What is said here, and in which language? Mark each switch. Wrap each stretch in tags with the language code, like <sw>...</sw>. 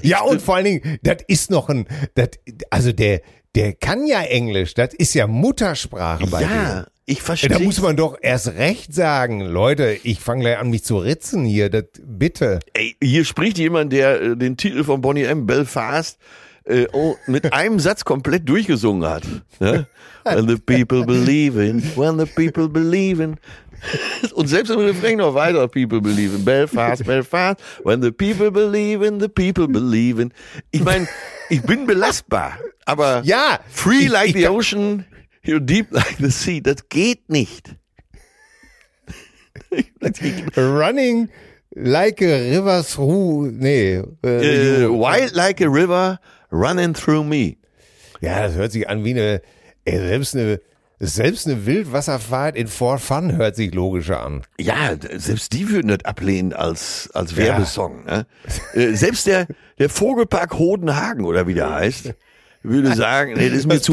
<de>Ja, und vor allen Dingen, das ist noch ein, der kann ja Englisch, das ist ja Muttersprache bei dir. Ja, ich verstehe. Da muss man doch erst recht sagen, Leute, ich fange gleich an, mich zu ritzen hier, das, bitte. Ey, hier spricht jemand, der den Titel von Bonnie M. Belfast mit einem Satz komplett durchgesungen hat. Ja?</de> <en>When the people believe in.</en> <de>Und selbst im Refrain noch weiter,</de> <en>people believe in Belfast, Belfast, when the people believe in.</en> <de>Ich meine, ich bin belastbar, aber ja,</de> <en>free like the ocean, you're deep like the sea, das geht nicht. Running like a river through, wild like a river running through me.</en> <de>Ja, das hört sich an wie eine Wildwasserfahrt in Fort Fun hört sich logischer an. Ja, selbst die würden das ablehnen als Werbesong. Ja. Ne? Selbst der Vogelpark Hodenhagen oder wie der heißt, würde sagen, nee, das ist mir zu</de>